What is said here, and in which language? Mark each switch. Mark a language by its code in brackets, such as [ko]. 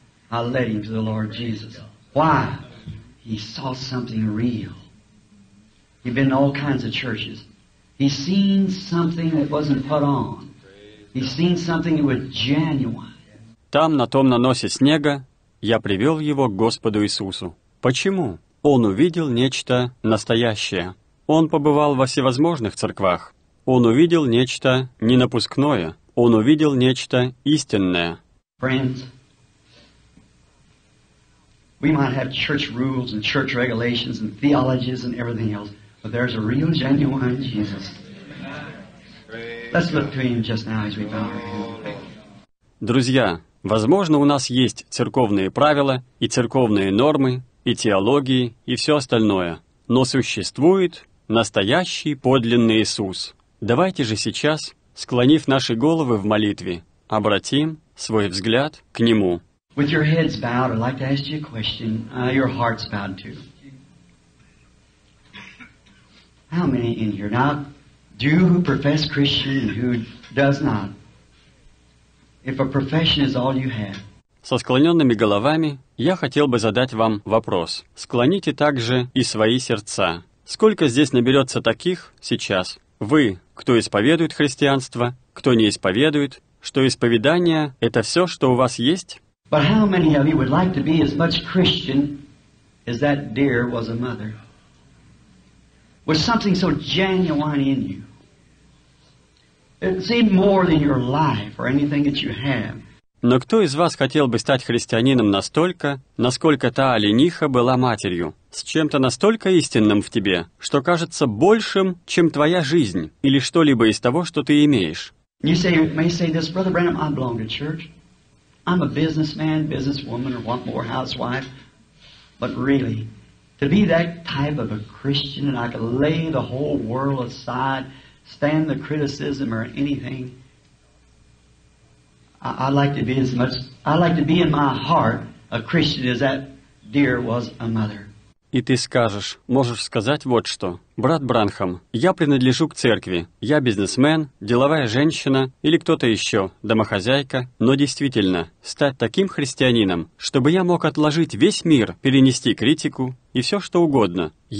[en] I led him to the Lord Jesus. Why? He saw something real. He'd been to all kinds of churches. He seen something that wasn't put on. He seen something that was genuine. [ru] Там, на том наносе снега, я привел его к Господу Иисусу. Почему? Он увидел нечто настоящее. Он побывал во всевозможных церквах. Он увидел нечто не напускное. Он увидел нечто истинное. [en] Friends, we might have church rules and church regulations and theologies and everything else, but there's a real, genuine Jesus. Let's look to Him just now as we bow our heads. [ru] Друзья, возможно, у нас есть церковные правила и церковные нормы и теологии и все остальное, но существует настоящий, подлинный Иисус. Давайте же сейчас, склонив наши головы в молитве, обратим свой взгляд к Нему. [en] With your heads bowed, I'd like to ask you a question. Your heart's bowed too. How many in here now do who profess Christian and who does not? If a profession is all you have. [ru] Со склоненными головами я хотел бы задать вам вопрос. Склоните также и свои сердца. Сколько здесь наберется таких сейчас? Вы, кто исповедует христианство, кто не исповедует, что исповедание — это все, что у вас есть? [en] But how many of you would like to be as much Christian as that deer was a mother? With something so genuine in you. It's even more than your life or anything that you have. [ru] Но кто из вас хотел бы стать христианином настолько, насколько та олениха была матерью, с чем-то настолько истинным в тебе, что кажется большим, чем твоя жизнь или что-либо из того, что ты имеешь? [en] You say, you may say this, Brother Branham, I belong to church. I'm a businessman, businesswoman, or one more housewife. But really, to be that type of a Christian, and I could lay the whole world aside, stand the criticism or anything, I'd like to be in my heart a Christian as that deer was a mother. [ru] И ты скажешь, можешь сказать вот что. Брат Бранхам, я принадлежу к церкви. Я бизнесмен, деловая женщина или кто-то еще, домохозяйка. Но действительно, стать таким христианином, чтобы я мог отложить весь мир, перенести критику и все что угодно.